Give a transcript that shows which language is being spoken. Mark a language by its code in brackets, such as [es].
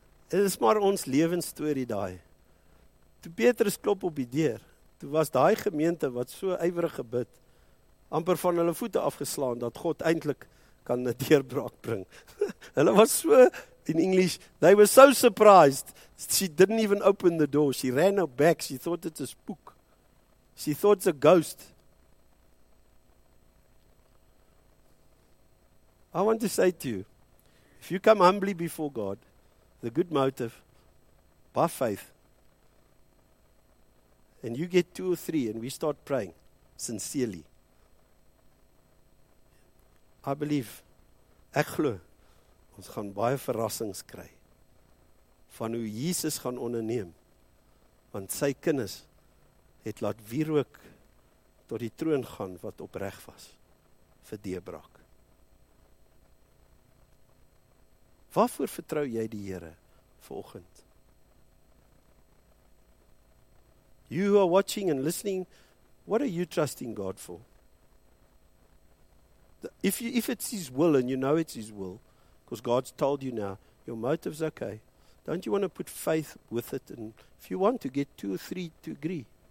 [af] Dit is maar ons lewensstorie daai. Toe Petrus klop op die deur, toe was daai gemeente wat so ywerig gebid, amper van hulle voete afgeslaan, dat God eintlik kan 'n deurbraak bring. Hulle was so, [en] in English, they were so surprised. She didn't even open the door. She ran out back. She thought it's a spook. She thought it's a ghost. I want to say to you, if you come humbly before God, the good motive, by faith, and you get two or three, and we start praying sincerely. I believe, [af] ek glo, ons gaan baie verrassings kry van hoe Jesus gaan onderneem, want sy kinders het laat wierook tot die troon gaan wat opreg was vir deurbraak. Waarvoor vertrou jy die Here vanoggend? [en] You who are watching and listening, what are you trusting God for? If it's His will and you know it's His will, because God's told you now, your motive's okay, don't you want to put faith with it? And if you want to get two or three to agree.